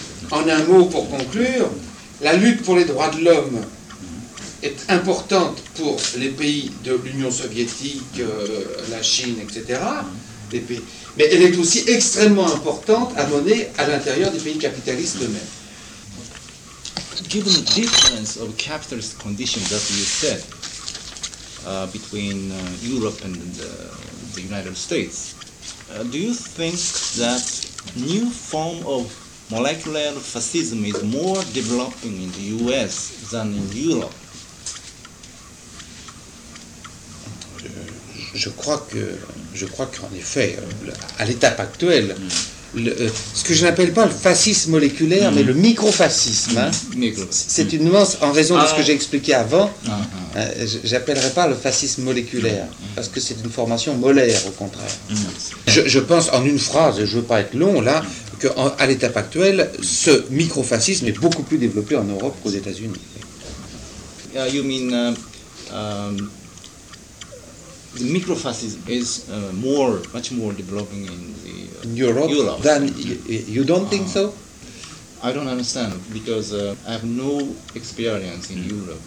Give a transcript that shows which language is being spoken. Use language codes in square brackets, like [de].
[fr] En un mot, pour conclure, la lutte pour les droits de l'homme est importante pour les pays de l'Union soviétique, la Chine, etc., mais elle est aussi extrêmement importante à mener à l'intérieur des pays capitalistes eux-mêmes. [en] Given the difference of capitalist conditions that you said between Europe and the United States, do you think that new form of molecular fascism is more developing in the U.S. than in Europe? [fr] Je crois qu'en effet, à l'étape actuelle, ce que je n'appelle pas le fascisme moléculaire, mais le microfascisme, c'est une nuance en raison de ce que j'ai expliqué avant. J'appellerai pas le fascisme moléculaire, parce que c'est une formation molaire, au contraire. Je pense, en une phrase, et je ne veux pas être long là, qu'à l'étape actuelle, ce microfascisme est beaucoup plus développé en Europe qu'aux États-Unis. [en] You mean the microfascism is much more developing in the Europe than you don't think so? I don't understand because I have no experience in Europe.